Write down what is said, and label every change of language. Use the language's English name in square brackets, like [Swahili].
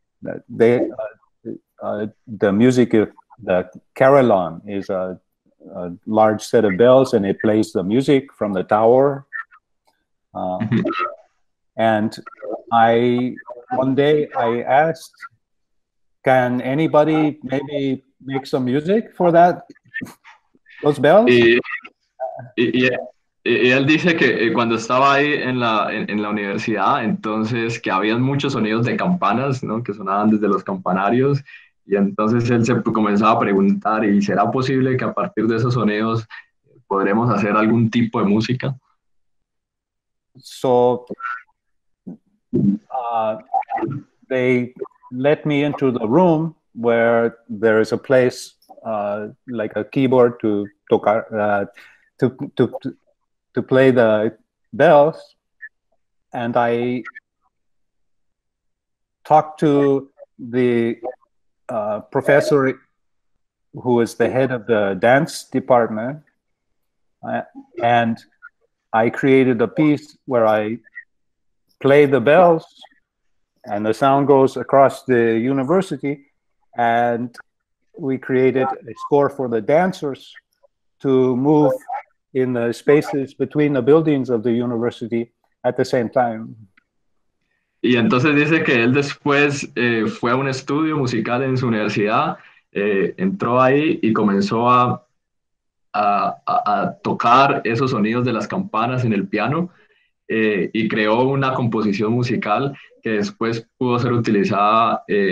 [English] The music of the carillon is a large set of bells, and it plays the music from the tower. And one day I asked, can anybody maybe make some music for that? Those bells? [Spanish] Y él dice que cuando estaba ahí en la universidad, entonces que habían muchos sonidos de campanas, ¿no? Que sonaban desde los campanarios, y entonces él se comenzaba a preguntar, ¿y será posible que a partir de esos sonidos podremos hacer algún tipo de música? [English] So, they let me into the room where there is a place like a keyboard to tocar, to play the bells, and I talked to the professor who is the head of the dance department, and I created a piece where I play the bells and the sound goes across the university, and we created a score for the dancers to move in the spaces between the buildings of the university at the same time. [Spanish] Y entonces dice que él después fue a un estudio musical en su universidad, entró ahí y comenzó a tocar esos sonidos de las campanas en el piano y creó una composición musical que después pudo ser utilizada